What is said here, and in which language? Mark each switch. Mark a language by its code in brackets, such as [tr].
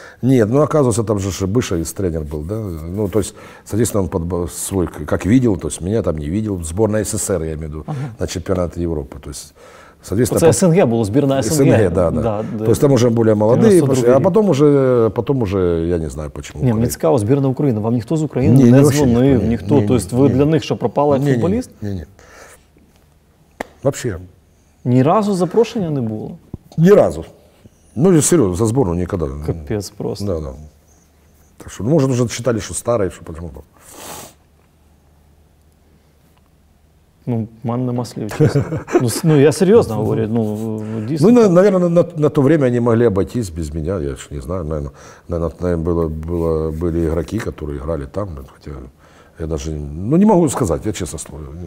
[ru] Нет, ну оказывается, там же Бышевец тренер был, да. Ну, то есть, соответственно, он под свой, как видел, то есть меня там не видел. Сборная СССР, я имею в виду, ага. На чемпионат Европы. То есть, соответственно, это СНГ было, сборная СНГ. СНГ, да. То есть там уже более молодые, пошли, а потом уже я не знаю почему. [uk] Не, мені цікаво, збірна України. Вам ніхто з України не дзвонив, ніхто. [ru] То есть [uk] ви для них, що пропали як футболіст? Ні. [ru] Вообще. [uk] Ні разу запрошення не було? Ні разу. Ну, серйозно, за збору ніколи. Капець просто. Да. Так що, може, вже читали, що старий, що почому там. Ну, мене нема слів. Ну, я серйозно говорю. Ну, дійсно. [ru] Ну, наверное, на то время они могли обойтись без меня, я ж не знаю. [uk] Наверное, були игроки, які грали там. Хоча я навіть, ну, не можу сказати, я чесно слово.